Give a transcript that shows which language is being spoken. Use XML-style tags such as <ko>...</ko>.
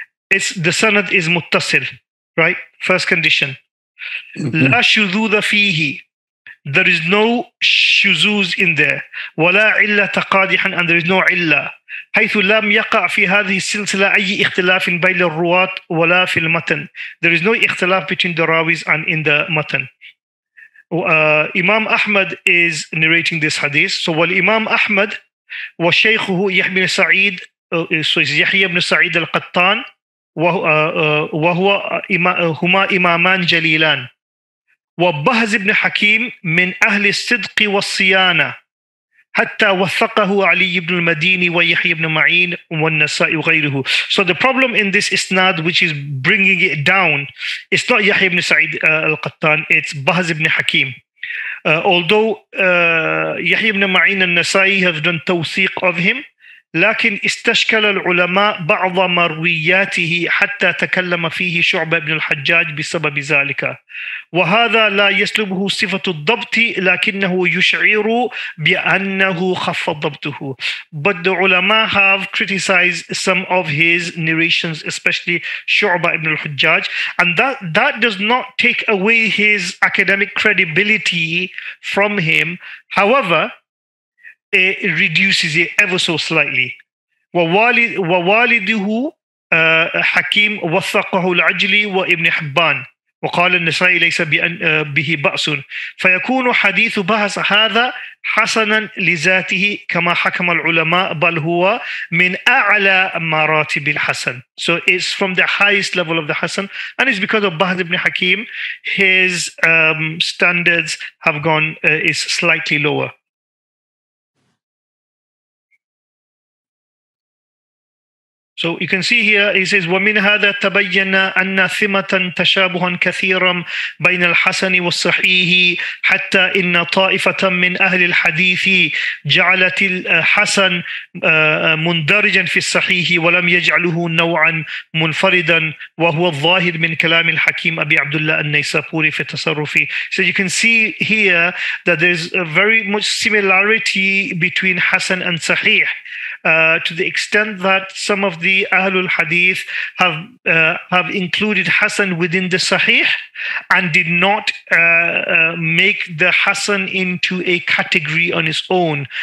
<en>It's the sanad is muttasil, right? First condition.</en> <ar>La shudud fihi.</ar> <en>There is no shuzuz in there.</en> <ar>Wala illa taqadihan,</ar> <en>and there is no illa.</en> <ar>حيث لم يقع في هذه السلسلة أي اختلاف بين الرواة ولا في المتن.</ar> <en>There is no اختلاف between the rawis and in the matan. Imam Ahmad is narrating this hadith. So</en> <ar>والإمام أحمد وشيخه يحيى بن سعيد.</ar> <en>So it's</en> <ar>يحيى بن سعيد القطان وهو هما إمامان جليلان. وبهز بن حكيم من أهل الصدق والصيانة. حتى وثقه علي بن المديني ويحيى بن معين والنسائي وغيره.</ar> <en>So the problem in this isnad, which is bringing it down, it's not Yahya ibn Sa'id al-Qattan, it's Bahz ibn Hakim. Although Yahya ibn Ma'in al-Nasa'i have done tawthiq of him,</en> <ar>لكن استشكل العلماء بعض مروياته حتى تكلم فيه شعبة بن الحجاج بسبب ذلك وهذا لا يسلبه صفة الضبط لكنه يشعر بأنه خف ضبطه.</ar> <en>But the ulama have criticized some of his narrations, especially شعبة بن الحجاج, and that does not take away his academic credibility from him. However, it reduces it ever so slightly.</en> <ar>ووالده حكيم وثقه العجلي وابن حبان وقال النسائي ليس به بأس فيكون حديث بحث هذا حسنا لذاته كما حكم العلماء بل هو من أعلى مراتب الحسن.</ar> <en>So it's from the highest level of the Hassan, and it's because of Bahz ibn Hakim his standards have gone is slightly lower. So you can see here, he says,</en> <ar>وَمِنْ هَذَا تَبَيَّنَا أَنَّ ثِمَةً تَشَابُهًا كَثِيرًا بَيْنَ الْحَسَنِ وَالصَّحِيحِ حَتَّى إِنَّ طَائِفَةً مِّنْ أَهْلِ الْحَدِيثِ جَعَلَتِ الْحَسَنِ مُنْدَرِجًا فِي الصَّحِيحِ وَلَمْ يَجْعَلُهُ نَوْعًا مُنْفَرِدًا وَهُوَ الظَّاهِرِ مِنْ كَلَامِ الْحَكِيمِ أَبِي عَبْدُ اللَّهِ النَّيْسَابُورِ فِي التَّصَرُّفِ.</ar> <en>So you can see here that there's a very much similarity between Hassan and Sahih. to the extent that some of the Ahlul Hadith have included Hassan within the Sahih and did not make the Hassan into a category on its own.</en>